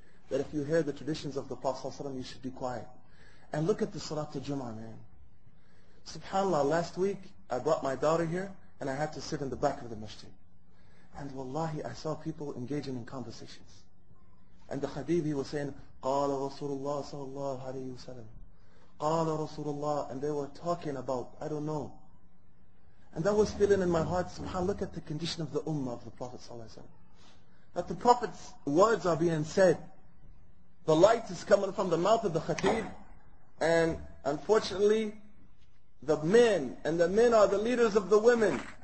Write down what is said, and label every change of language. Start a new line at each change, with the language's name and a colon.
English: That if you hear the traditions of the Prophet, you should be quiet. And look at the Salatul Jum'ah, man. SubhanAllah, last week I brought my daughter here and I had to sit in the back of the masjid. And wallahi, I saw people engaging in conversations. And the Khabib, he was saying,
Arabic: قَالَ رَسُولُ اللَّهِ صَلَى اللَّهُ عَلَيْهِ وَسَلَمُ قَالَ رَسُولُ اللَّهِ.
English: And they were talking about, I don't know. And that was feeling in my heart, SubhanAllah, look at the condition of the ummah of the Prophet ﷺ. That the Prophet's words are being said. The light is coming from the mouth of the Khatib. And unfortunately, the men, and the men are the leaders of the women.